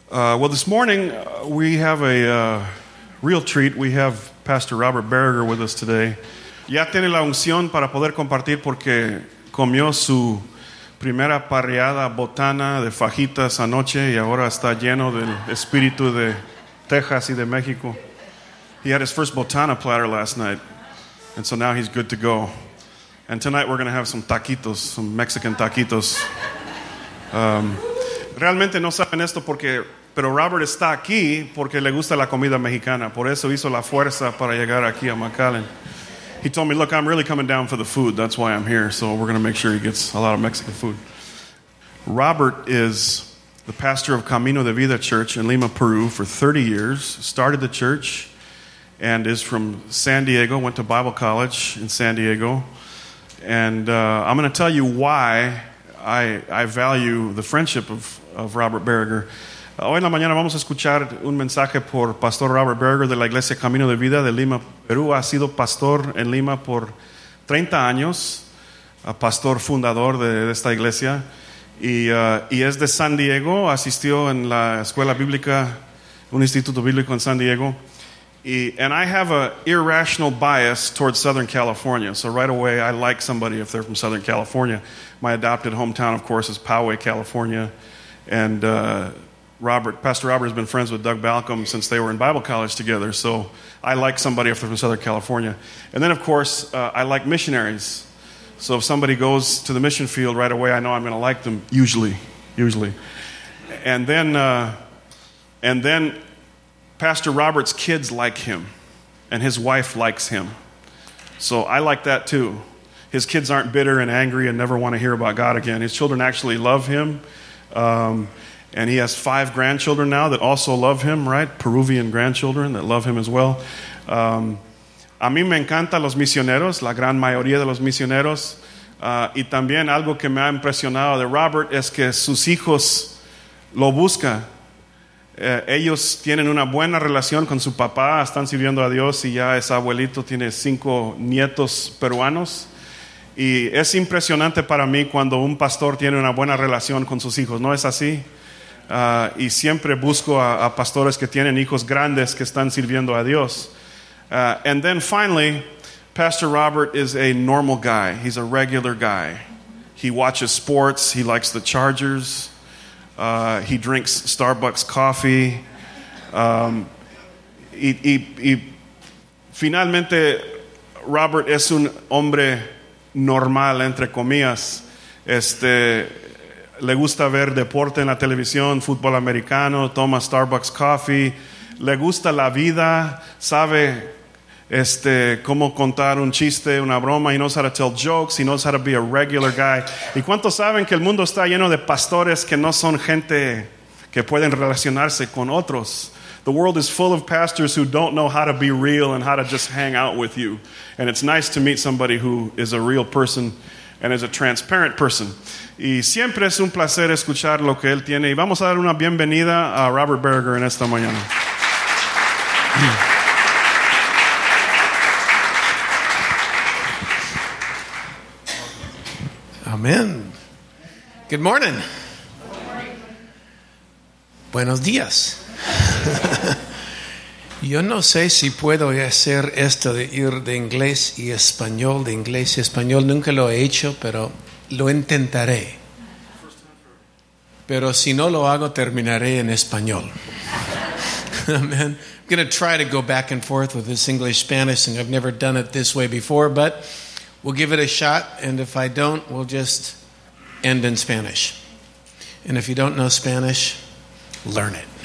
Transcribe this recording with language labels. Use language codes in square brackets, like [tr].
[en] Well, this morning we have a real treat. We have Pastor Robert Berger with us today. [es] Ya tiene la unción para poder compartir porque comió su primera parrillada botana de fajitas anoche y ahora está lleno del espíritu de Texas y de México. [en] He had his first botana platter last night, and so now he's good to go. And tonight we're going to have some taquitos, some Mexican taquitos. [es] Realmente no saben esto porque... Pero Robert está aquí porque le gusta la comida mexicana. Por eso hizo la fuerza para llegar aquí a McAllen. [en] He told me, look, I'm really coming down for the food. That's why I'm here. So we're going to make sure he gets a lot of Mexican food. Robert is the pastor of Camino de Vida Church in Lima, Peru for 30 years. Started the church and is from San Diego. Went to Bible college in San Diego. And I'm going to tell you why I value the friendship of Robert Berger. [es] Hoy en la mañana vamos a escuchar un mensaje por Pastor Robert Berger de la Iglesia Camino de Vida de Lima, Perú. Ha sido pastor en Lima por 30 años, pastor fundador de esta iglesia, y es de San Diego. Asistió en la escuela bíblica, un instituto bíblico en San Diego. [en] And I have an irrational bias towards Southern California. So right away, I like somebody if they're from Southern California. My adopted hometown, of course, is Poway, California. And... Pastor Robert has been friends with Doug Balcom since they were in Bible college together, so I like somebody if they're from Southern California. And then, of course, I like missionaries. So if somebody goes to the mission field right away, I know I'm going to like them, usually. And then Pastor Robert's kids like him, and his wife likes him. So I like that, too. His kids aren't bitter and angry and never want to hear about God again. His children actually love him. And he has 5 grandchildren now that also love him, right? Peruvian grandchildren that love him as well. [es] A mí me encanta los misioneros, la gran mayoría de los misioneros. Y también algo que me ha impresionado de Robert es que sus hijos lo buscan. Ellos tienen una buena relación con su papá, están sirviendo a Dios y ya ese abuelito tiene 5 nietos peruanos. Y es impresionante para mí cuando un pastor tiene una buena relación con sus hijos, ¿no es así? Y siempre busco a pastores que tienen hijos grandes que están sirviendo a Dios. [en] And then finally, Pastor Robert is a normal guy. He's a regular guy. He watches sports. He likes the Chargers. He drinks Starbucks coffee. [es] Y finalmente, Robert es un hombre normal, entre comillas. Le gusta ver deporte en la televisión, fútbol americano, toma Starbucks coffee. Le gusta la vida, sabe cómo contar un chiste, una broma. [en] He knows how to tell jokes, he knows how to be a regular guy. [es] ¿Y cuántos saben que el mundo está lleno de pastores que no son gente que pueden relacionarse con otros? [en] The world is full of pastors who don't know how to be real and how to just hang out with you. And it's nice to meet somebody who is a real person and is a transparent person. [es] Y siempre es un placer escuchar lo que él tiene. Y vamos a dar una bienvenida a Robert Berger en esta mañana. [en] Amen. Good morning. [es] Buenos días. Yo no sé si puedo hacer esto de ir de inglés y español, de inglés y español. Nunca lo he hecho, pero lo intentaré. Pero si no lo hago, terminaré en español. Amen. [en] I'm going to try to go back and forth with this English-Spanish, and I've never done it this way before, but we'll give it a shot, and if I don't, we'll just end in Spanish. And if you don't know Spanish, learn it.